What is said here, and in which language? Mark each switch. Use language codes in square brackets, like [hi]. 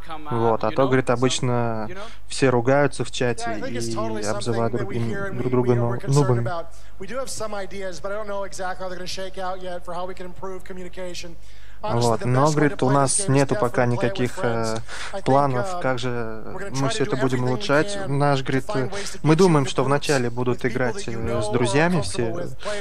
[ru] Вот, а то, говорит, обычно все ругаются в чате и обзывают друг друга нубами. [en] We do have some ideas, but I don't know exactly how they're going to shake out yet for how we can improve communication. [ru] Вот, но, говорит, у нас нету пока никаких планов, как же мы все это будем улучшать. Наш, говорит, мы думаем, что вначале будут играть с друзьями все.